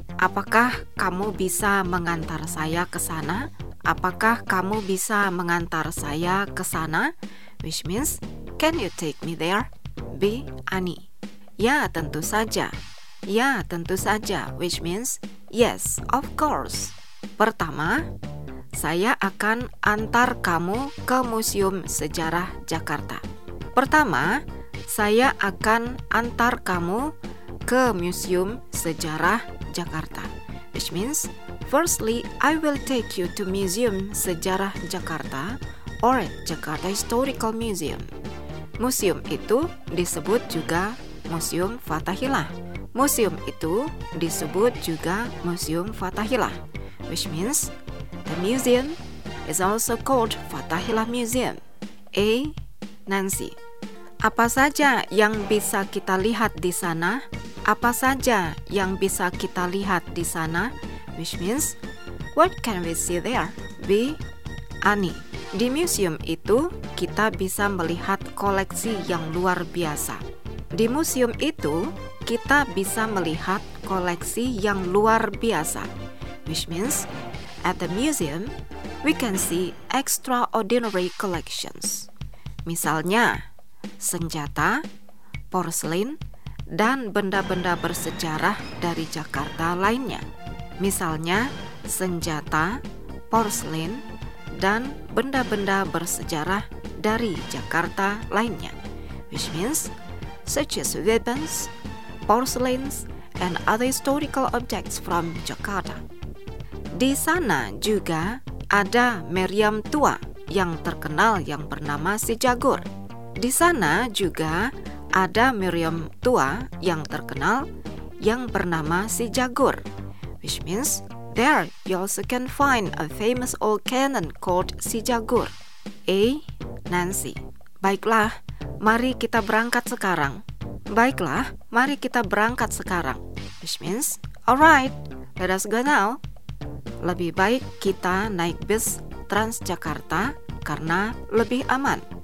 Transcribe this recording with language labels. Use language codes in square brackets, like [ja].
[id] Apakah kamu bisa mengantar saya ke sana? Apakah kamu bisa mengantar saya ke sana? [en] Which means, can you take me there? [id] B. Ani. Ya, tentu saja. Ya, tentu saja. [en] Which means, yes, of course. [id] Pertama, saya akan antar kamu ke Museum Sejarah Jakarta. Pertama, saya akan antar kamu ke Museum Sejarah Jakarta, [en] which means, firstly, I will take you to Museum Sejarah Jakarta or Jakarta Historical Museum. [id] Museum itu disebut juga Museum Fathahillah. Museum itu disebut juga Museum Fathahillah, [en] which means, the museum is also called Fathahillah Museum. A. [id] Nancy, apa saja yang bisa kita lihat di sana? Apa saja yang bisa kita lihat di sana? [en] Which means, what can we see there? B. [id] Ani, di museum itu kita bisa melihat koleksi yang luar biasa. Di museum itu kita bisa melihat koleksi yang luar biasa. [en] Which means, at the museum, we can see extraordinary collections. [id] Misalnya, senjata, porselin, dan benda-benda bersejarah dari Jakarta lainnya. Misalnya, senjata, porselin, dan benda-benda bersejarah dari Jakarta lainnya. [en] Which means, such as weapons, porcelains, and other historical objects from Jakarta. [id] Di sana juga ada Meriam tua yang terkenal yang bernama Si Jagur. Di sana juga ada Meriam tua yang terkenal yang bernama Si Jagur, [en] which means there you also can find a famous old cannon called Si Jagur. A. [id] Nancy, baiklah, mari kita berangkat sekarang. Baiklah, mari kita berangkat sekarang. B. [en] which means, "All right, let us go now." [id] Lebih baik kita naik bus Transjakarta karena lebih aman.